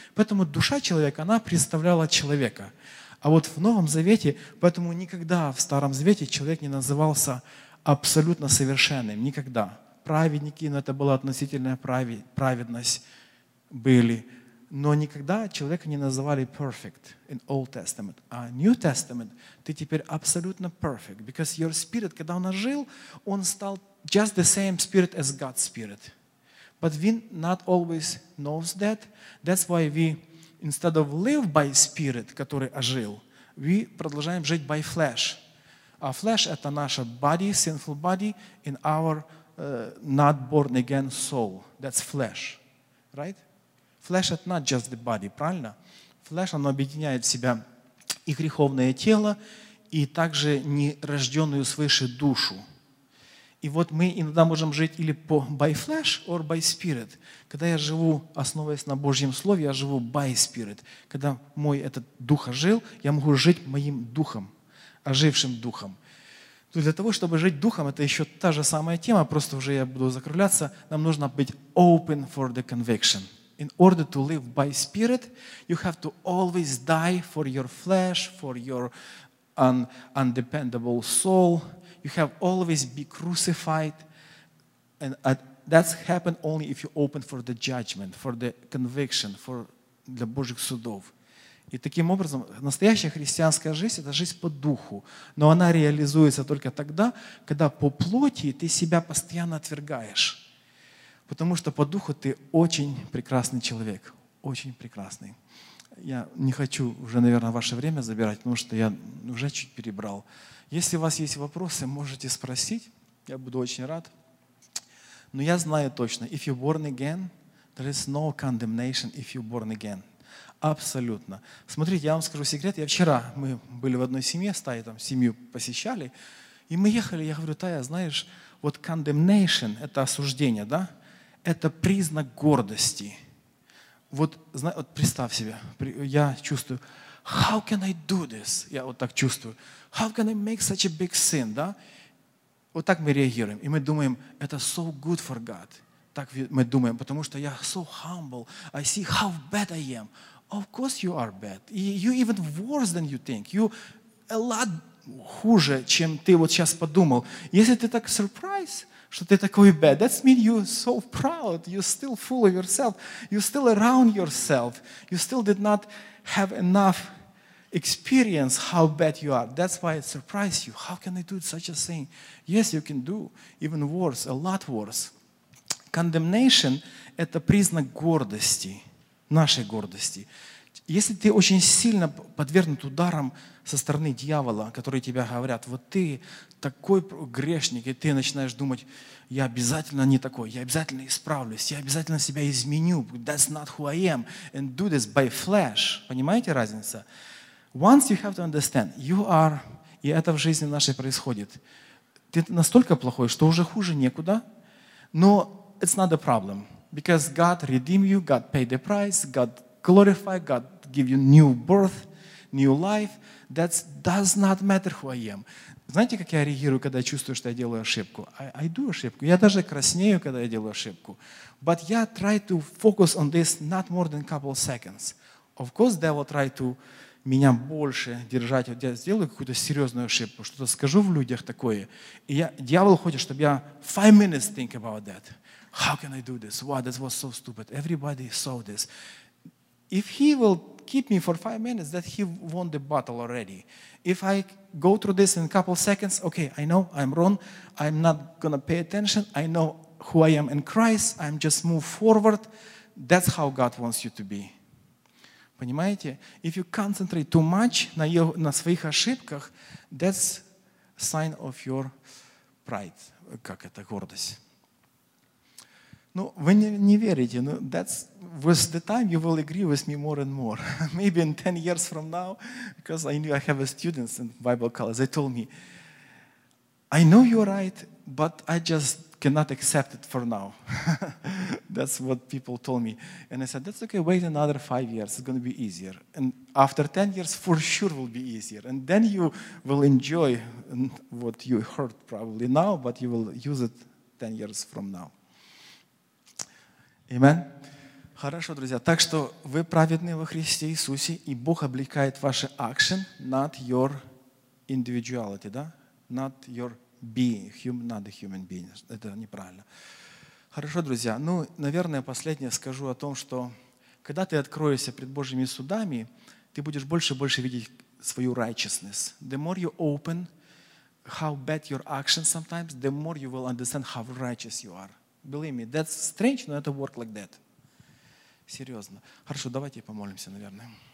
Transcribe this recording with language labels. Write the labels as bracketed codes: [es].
[ru] Поэтому душа человека, она представляла человека. А вот в Новом Завете, поэтому никогда в Старом Завете человек не назывался абсолютно совершенным, никогда. Праведники, но это была относительная праведность, были. Но никогда человека не называли [en] perfect in Old Testament. А New Testament, [ru] ты теперь абсолютно [en] perfect, because your spirit, [ru] когда он ожил, он стал [en] just the same spirit as God's spirit. But we not always knows that. That's why we, instead of live by spirit, [ru] который ожил, [en] we [ru] продолжаем жить [en] by flesh. А flesh — [ru] это наша [en] body, sinful body, in our not born again soul. That's flesh, right? Flesh — это not just the body, [ru] правильно? Flesh, оно объединяет в себя и греховное тело, и также нерожденную свыше душу. И вот мы иногда можем жить или [en] by flesh or by spirit. [ru] Когда я живу, основываясь на Божьем Слове, я живу [en] by spirit. [ru] Когда мой этот дух ожил, я могу жить моим духом, ожившим духом. То для того, чтобы жить духом, это еще та же самая тема, просто уже я буду закругляться, нам нужно быть [en] open for the conviction. In order to live by spirit, you have to always die for your flesh, for your undependable soul. You have always be crucified. And that's happened only if you open for the judgment, for the conviction, for [ru] для Божьих судов. И таким образом, настоящая христианская жизнь – это жизнь по духу. Но она реализуется только тогда, когда по плоти ты себя постоянно отвергаешь. Потому что по духу ты очень прекрасный человек. Очень прекрасный. Я не хочу уже, наверное, ваше время забирать, потому что я уже чуть перебрал. Если у вас есть вопросы, можете спросить. Я буду очень рад. Но я знаю точно, [en] if you're born again, there is no condemnation if you're born again. [ru] Абсолютно. Смотрите, я вам скажу секрет. Я вчера, мы были в одной семье, стаи там семью посещали, и мы ехали, я говорю, Тая, знаешь, вот condemnation, это осуждение, да? Это признак гордости. Вот представь себе, я чувствую, [en] how can I do this? [ru] Я вот так чувствую. [en] How can I make such a big sin, да? [ru] Вот так мы реагируем. И мы думаем, это [en] so good for God. [ru] Так мы думаем, потому что я [en] so humble. I see how bad I am. Of course you are bad. You even worse than you think. You a lot [ru] хуже, чем ты вот сейчас подумал. Если ты так [en] surprised, [ru] что ты такой [en] bad, that means you so proud. You still full of yourself. You still around yourself. You still did not have enough experience how bad you are. That's why it surprised you. How can I do such a thing? Yes, you can do even worse, a lot worse. [ru] Condemnation – это признак гордости, нашей гордости. Если ты очень сильно подвергнут ударам со стороны дьявола, которые тебе говорят, вот ты такой грешник, и ты начинаешь думать, я обязательно не такой, я обязательно исправлюсь, я обязательно себя изменю, [en] that's not who I am, and do this by flesh. [ru] Понимаете разницу? [en] Once you have to understand, you are, [ru] и это в жизни нашей происходит, ты настолько плохой, что уже хуже некуда, но [en] it's not a problem, because God redeemed you, God paid the price, God glorified, God gave you new birth, new life, that does not matter who I am. [ru] Знаете, как я реагирую, когда я чувствую, что я делаю ошибку? [en] I do [ru] ошибку, я даже краснею, когда я делаю ошибку. [en] But я try to focus on this not more than a couple of seconds. Of course, devil try to [ru] меня больше держать. Вот я сделаю какую-то серьезную ошибку, что-то скажу в людях такое. И я, дьявол хочет, чтобы я [en] 5 minutes think about that. How can I do this? Wow, that was so stupid. Everybody saw this. If he will keep me for 5 minutes, that he won the battle already. If I go through this in a couple seconds, okay, I know I'm wrong. I'm not gonna pay attention. I know who I am in Christ. I'm just move forward. That's how God wants you to be. [ru] Понимаете? [en] If you concentrate too much [ru] на своих ошибках, [en] that's sign of your pride. [ru] Как это? Гордость. Ну, вы не верите. [en] Но that's, with the time, you will agree with me more and more. Maybe in 10 years from now, because I knew I have a student in Bible college, they told me, I know you're right, but I just cannot accept it for now. That's what people told me. And I said, that's okay, wait another 5 years, it's going to be easier. And after 10 years, for sure will be easier. And then you will enjoy what you heard probably now, but you will use it 10 years from now. [ru] Amen? Хорошо, друзья. Так что вы праведны во Христе Иисусе, и Бог облекает ваши [en] action, not your individuality, [ru] да? [en] Not your being, human, not a human being. [ru] Это неправильно. Хорошо, друзья. Ну, наверное, последнее скажу о том, что когда ты откроешься пред Божьими судами, ты будешь больше и больше видеть свою righteousness. [en] The more you open how bad your actions sometimes, the more you will understand how righteous you are. Believe me, that's strange, [ru] но это [en] work like that. [ru] Серьезно. Хорошо, давайте помолимся, наверное.